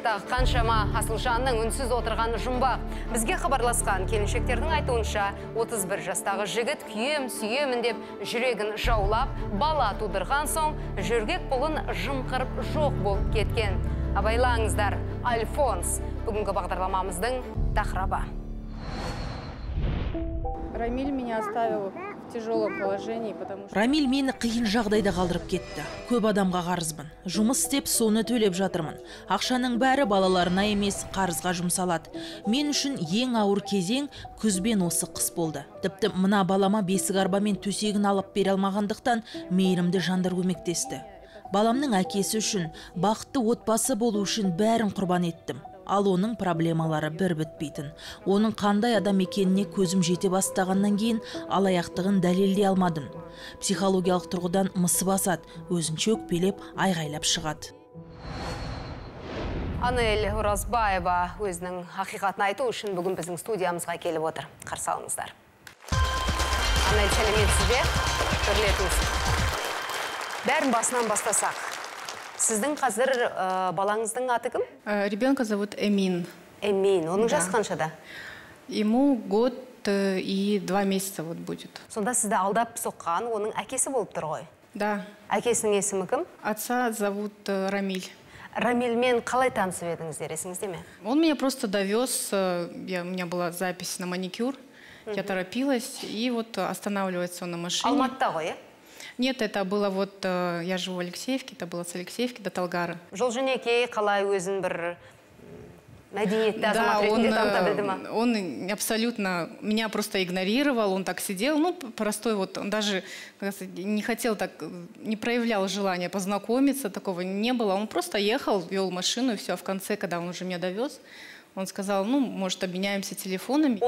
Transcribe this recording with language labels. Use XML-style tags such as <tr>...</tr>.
<kk>Тағы қаншама асылжанның үнсіз отырған жұмбақ. Бізге хабарласқан келіншектердің айтуынша, 31 жастағы жігіт күйем сүйемін деп жүрегін жаулап, бала тудырған соң жүргек бұлын жымқырып жоқ болып кеткен. Абайлаңыздар, Альфонс бүгінгі бағдарламамыздың тақырабы.</kk> <ru>Рамиль меня оставил в тяжелом положении, потому что...</ru> <kk>Рамиль мені қиын жағдайда қалдырып кетті. Көп адамға қарызбын. Жұмыс істеп, соны төлеп жатырмын. Ақшаның бәрі балаларына емес, қарызға жұмсалады. Мен үшін ең ауыр кезең күзбен осы қыс болды. Тіпті мына балама бесік арбамен төсегін алып бере алмағандықтан мейірімді жандар көмектесті. Баламның әкесі үшін, бақытты отбасы болу үшін бәрін құрбан еттім. Ал оның проблемалары бір бітпейтін. Оның қандай адам екеніне көзім жете бастағаннан кейін алаяқтығын дәлелдей алмадым. Психологиялық тұрғыдан мысы басады, өзінше өкпелеп, айғайлап шығады. Анель Оразбаева өзінің ақиқатын айту үшін бүгін біздің студиямызға келіп отыр. Қарсы алыңыздар. Анель, сәлеметсіз бе? Көрлетіңіз. Бәрін басынан бастасақ. Сіздің қазір балаңыздың аты кім?</kk> <ru>Ребенка зовут Эмин.</ru> <kk>Эмин. Оның жасы қаншада?</kk> <ru>Ему год и два месяца вот будет.</ru> <kk>Сонда сізді алдап соққан оның әкесі болып тұр ғой?</kk> <ru>Да.</ru> <kk>Әкесінің есімі кім?</kk> <ru>Отца зовут Рамиль.</ru> <kk>Рамильмен қалай танысып едіңіздер, есіңізде ме?</kk> <ru>Он меня просто довез, у меня была запись на маникюр, я торопилась, и вот останавливается он на машине.</ru> <kk>Алматыда ғой, иә?</kk> <ru>Нет, это было вот, я живу в Алексеевке, это было с Алексеевки до Талгары.</ru> <kk>Жолженекей, қалай өзін бір мәдениетті азамат ретінде танта білді ма?</kk> <ru>Он абсолютно меня просто игнорировал, он так сидел, ну, простой вот, он даже не хотел так, не проявлял желания познакомиться, такого не было. Он просто ехал, вел машину и все, а в конце, когда он уже меня довез, он сказал, ну, может, обменяемся телефонами.</ru>